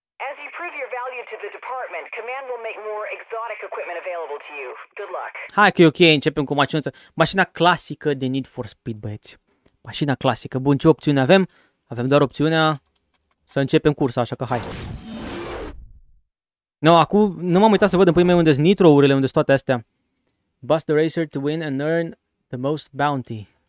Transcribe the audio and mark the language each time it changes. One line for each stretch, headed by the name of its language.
English: As you prove your value to the department, command will make more exotic equipment available to you. Good luck.
Romanian: Hai că e ok, începem cu mașina. Mașina clasică de Need for Speed, băieți. Mașina clasică. Bun, ce opțiune avem? Avem doar opțiunea să începem cursa, așa că hai. No, acum nu m-am uitat să văd în primul unde sunt nitro-urile, unde sunt toate astea.
English: Bust the racer to win and earn the most bounty.